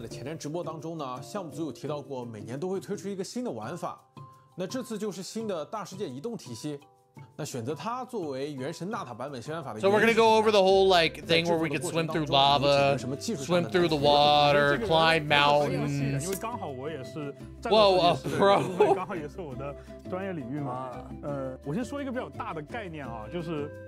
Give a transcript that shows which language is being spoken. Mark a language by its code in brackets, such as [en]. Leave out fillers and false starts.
[zh] 在前瞻直播当中呢，项目组有提到过，每年都会推出一个新的玩法，那这次就是新的大世界移动体系。那选择它作为原神纳塔版本新玩法的。 [en] So we're gonna go over the whole like thing where we could swim through lava, swim through the water, climb mountains. Whoa, a pro. [zh] 刚好也是我的专业领域嘛。我先说一个比较大的概念啊，就是。